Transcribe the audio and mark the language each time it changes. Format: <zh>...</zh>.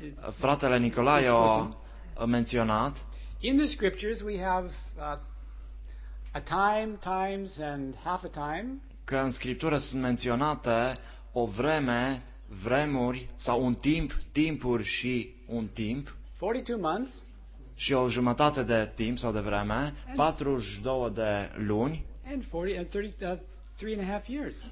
<ro>Fratele Nicolae a menționat.</ro> <en>In the scriptures we have a time, times and half a time.</en> <ro>Că în scriptură sunt menționate o vreme, vremuri sau un timp, timpuri și un timp.</ro> <en>42 months.</en> <ro>Și o jumătate de timp sau de vreme, 42 de luni.</ro> <en>And 3 and a half years.</en>